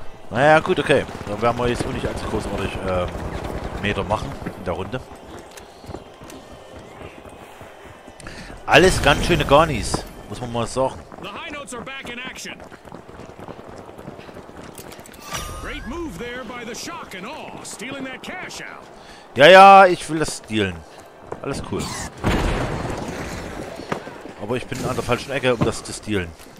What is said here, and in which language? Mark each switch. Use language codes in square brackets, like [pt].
[de] Naja, gut, okay. Dann werden wir jetzt nicht allzu großartig Meter machen in der Runde. Alles ganz schöne Garnis, muss man mal sagen. [en] The high notes are back in action. Great move there by the shock and awe, stealing that cash out. [de] Ja, ja, ich will das stehlen. Alles cool. Aber ich bin an der falschen Ecke, um das zu stehlen.